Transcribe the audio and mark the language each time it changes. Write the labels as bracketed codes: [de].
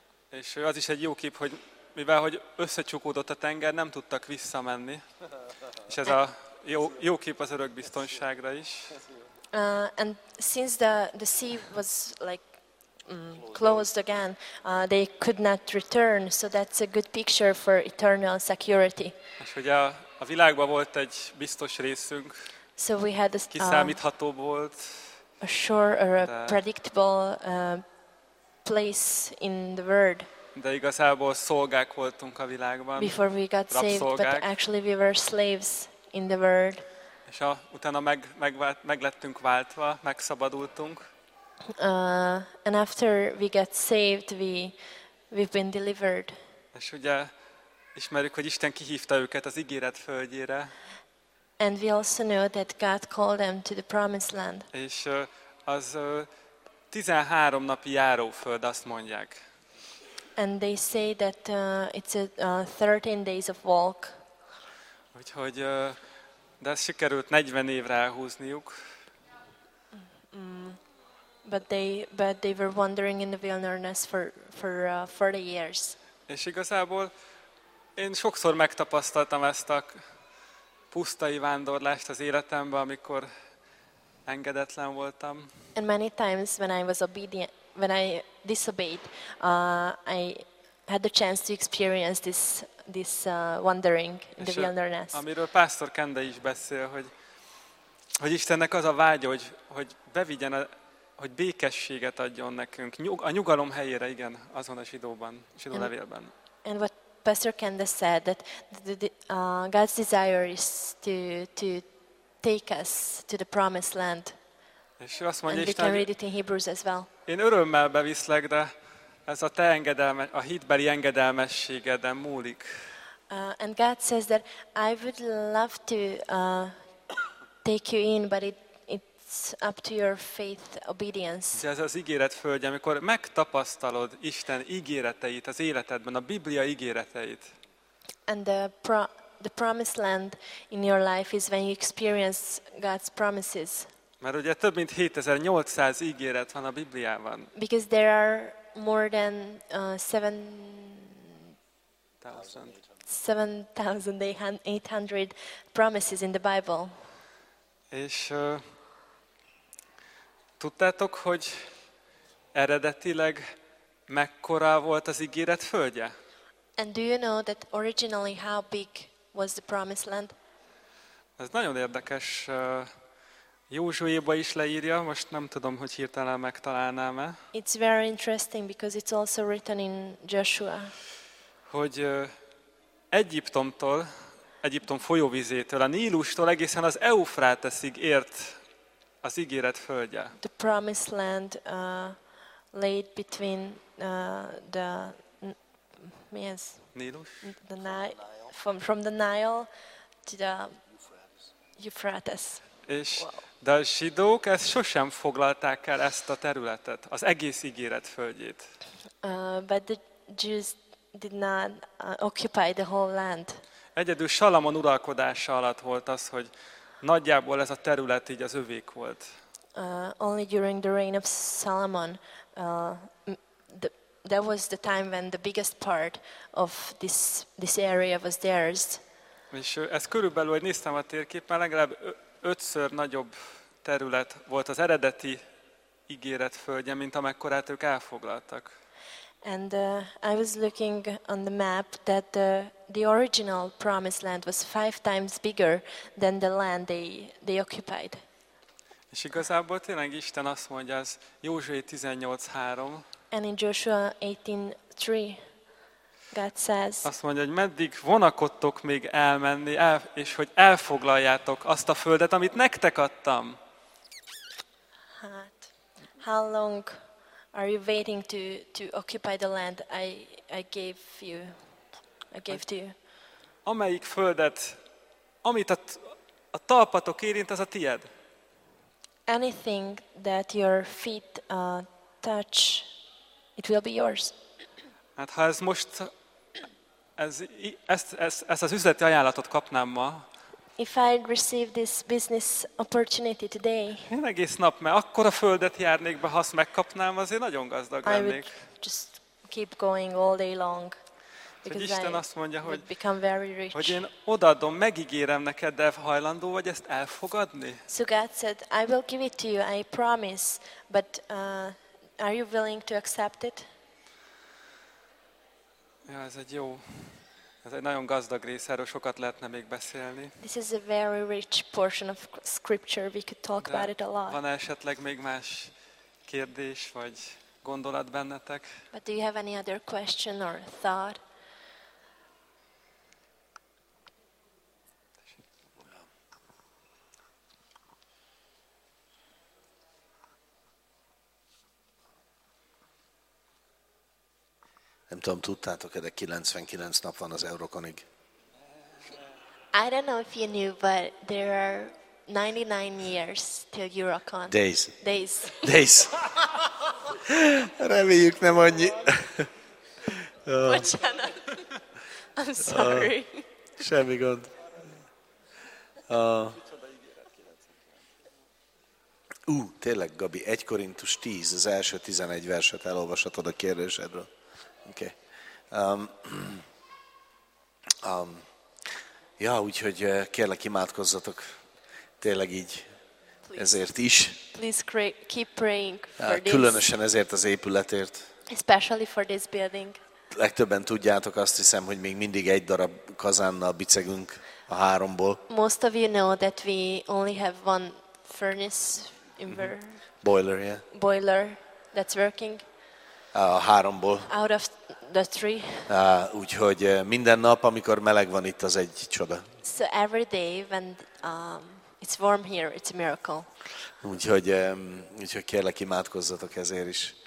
[hu] És az is egy jó kép, hogy mivel hogy összecsukódott a tenger, nem tudtak visszamenni. És ez a jó kép az örök biztonságra is. [en] And since the sea was like closed again, they could not return, so that's a good picture for eternal security. [hu] És ugye a világban volt egy biztos részünk. [en] So we had [hu] kiszámítható volt. [en] A sure or a predictable place in the world. [hu] De igazából szolgák voltunk a világban. [en] Before we got saved, but actually we were slaves in the world. [hu] És utána meglettünk váltva, megszabadultunk. [en] And after we got saved, we've been delivered. [hu] És ugye ismerjük, hogy Isten kihívta őket az ígéret földjére. [en] And we also know that God called them to the promised land. [hu] És az 13 napi járóföld, azt mondják. [en] And they say that it's a 13 days of walk. [hu] Úgyhogy de ezt sikerült 40 évre elhúzniuk. [en] But they were wandering in the wilderness for 40 years. [hu] És igazából én sokszor megtapasztaltam ezt a pusztai vándorlást az életemben, amikor engedetlen voltam. [en] And many times when I was obedient, when I disobeyed, I had the chance to experience this wandering in the wilderness. [hu] Amiről Pásztor Kende is beszél, hogy Istennek az a vágya, hogy bevigyen, hogy békességet adjon nekünk. A nyugalom helyére, igen, azon a zsidó levélben. [en] And what Pastor Kende said, that God's desire is to take us to the promised land. [hu] És azt mondja, [en] and [hu] Isten, [en] we can read it in Hebrews as well. [hu] Én örömmel beviszlek, de ez a te a hitbeli engedelmességeden múlik. [en] And God says that I would love to take you in, but it's up to your faith, obedience. [hu] Ez az ígéret földje, amikor megtapasztalod Isten ígéreteit az életedben, a Biblia ígéreteit. [en] And the promised land in your life is when you experience God's promises. [hu] Mert ugye több mint 7800 ígéret van a Bibliában. [en] Because there are more than 7800 promises in the Bible. [hu] És tudtátok, hogy eredetileg mekkora volt az ígéret földje? [en] And do you know that originally how big was the promised land? [hu] Ez nagyon érdekes. Józsuéba is leírja, most nem tudom, hogy hirtelen megtalálnám-e. [en] It's very interesting because it's also written in Joshua. [hu] Hogy Egyiptom folyóvizétől, a Nílustól egészen az Eufráteszig ért az ígéret földje. [en] The promised land laid between the [hu] mi ez? Nílus? [en] The Nile, from the Nile to the Euphrates. [hu] És de a zsidók ezt sosem foglalták el, ezt a területet, az egész ígéret földjét. [en] But the Jews did not occupy the whole land. [hu] Egyedül Salamon uralkodása alatt volt az, hogy nagyjából ez a terület így az övék volt. [en] only during the reign of Solomon, that was the time when the biggest part of this area was theirs. [hu] És ez körülbelül, hogy néztem a térképen, legalább ötször nagyobb terület volt az eredeti ígéret földje, mint amekkorát ők elfoglaltak. [en] And I was looking on the map that the original promised land was 5 times bigger than the land they occupied. [hu] És igazából tényleg Isten azt mondja, az Józsué 18:3. [en] And in Joshua 18:3, God says, [hu] azt mondja, hogy meddig vonakodtok még elmenni, és hogy elfoglaljátok azt a földet, amit nektek adtam. [en] Hát, how long are you waiting to occupy the land I gave to you? [hu] Amelyik földet, amit a talpatok érint, az a tied. [en] Anything that your feet touch, it will be yours. [hu] Hát ha ez most ezt az üzleti ajánlatot kapnám ma. [en] If I receive this business opportunity today. [hu] Én egész nap, mert akkor a földet járnék be, ha azt megkapnám, azért nagyon gazdag lennék. [en] I would just keep going all day long. [hu] Hogy Isten azt mondja, hogy én odaadom, megígérem neked, de hajlandó vagy ezt elfogadni? [en] So God said, I will give it to you, I promise, but are you willing to accept it? [hu] Ja, ez egy jó, ez egy nagyon gazdag rész, erről sokat lehetne még beszélni. [en] This is a very rich portion of scripture, we could talk about it a lot. [hu] Van esetleg még más kérdés, vagy gondolat bennetek? [en] But do you have any other question or thought? [hu] Nem tudom, tudtátok, de 99 nap van az Eurokonig. [en] I don't know if you knew, but there are 99 years till Eurocon. Days. [hu] Reméljük nem annyi. Bocsánat. [en] I'm sorry. [hu] Semmi gond. Tényleg, Gabi, 1 Korintus 10, az első 11 verset elolvashatod a kérdésedről. Oké. Okay. Úgyhogy kérlek, imádkozzatok tényleg így [en] please, [hu] ezért is. [en] Please keep praying for this. [hu] Különösen ezért az épületért. [en] Especially for this building. [hu] Legtöbben tudjátok, azt hiszem, hogy még mindig egy darab kazánnal bicegünk a háromból. [en] Most of you know that we only have one furnace in there. Mm-hmm. Boiler, yeah. Boiler that's working. [hu] A háromból. [en] Out of the three. [hu] Úgyhogy minden nap, amikor meleg van itt, az egy csoda. [en] So every day when it's warm here, it's a miracle. [hu] Úgyhogy kérlek, imádkozzatok ezért is.